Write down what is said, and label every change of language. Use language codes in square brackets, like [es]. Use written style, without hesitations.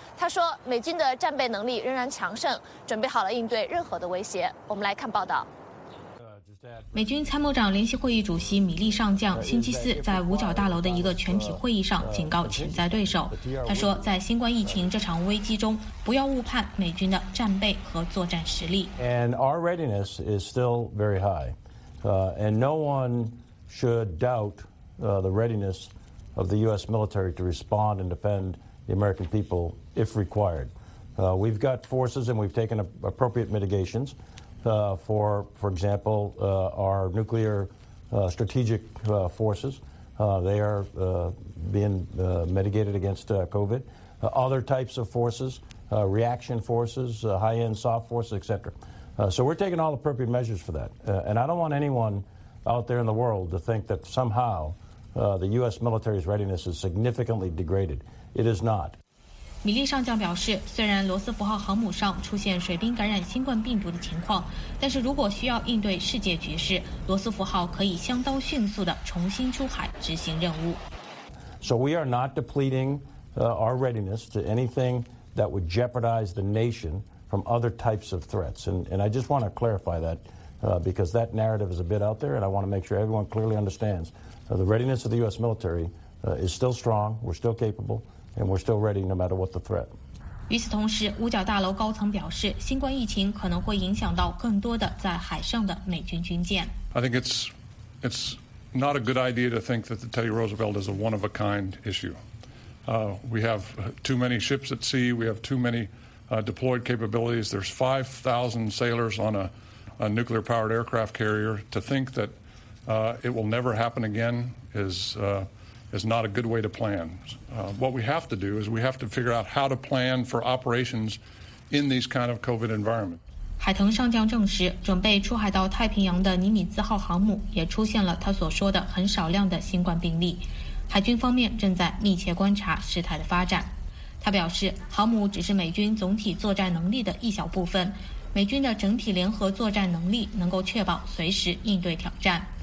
[zh] 他说，美军的战备能力仍然强盛，准备好了应对任何的威胁。我们来看报道。美军参谋长联席会议主席米利上将星期四在五角大楼的一个全体会议上警告潜在对手，他说在新冠疫情这场危机中，不要误判美军的战备和作战实力。 [en] And our readiness is still very high, and no one should doubt the readiness of the U.S. military to respond and defend the American people if required. We've got forces and we've taken appropriate mitigationsfor example, our nuclear strategic forces, they are being mitigated against COVID. other types of forces, reaction forces, high-end soft forces, et cetera. So we're taking all appropriate measures for that. And I don't want anyone out there in the world to think that somehow the U.S. military's readiness is significantly degraded. It is not. [zh] 米利上将表示，虽然罗斯福号航母上出现水兵感染新冠病毒的情况，但是如果需要应对世界局势，罗斯福号可以相当迅速地重新出海执行任务。 [en] So we are not depleting our readiness to anything that would jeopardize the nation from other types of threats. And I just want to clarify that because that narrative is a bit out there, and I want to make sure everyone clearly understands the readiness of the U.S. military is still strong. We're still capable. And we're still ready, no matter what the threat. [zh] 与此同时，五角大楼高层表示，新冠疫情可能会影响到更多的在海上的美军军舰。 [en] I think it's not a good idea to think that the Teddy Roosevelt is a one of a kind issue. We have too many ships at sea. We have too many deployed capabilities. There's 5,000 sailors on a nuclear powered aircraft carrier. To think that it will never happen again is not a good way to plan. What we have to do is we have to figure out how to plan for operations in these kind of COVID environment. [zh] 海腾上将证实，准备出海到太平洋的尼米兹号航母也出现了他所说的很少量的新冠病例。海军方面正在密切观察事态的发展。他表示，航母只是美军总体作战能力的一小部分，美军的整体联合作战能力能够确保随时应对挑战。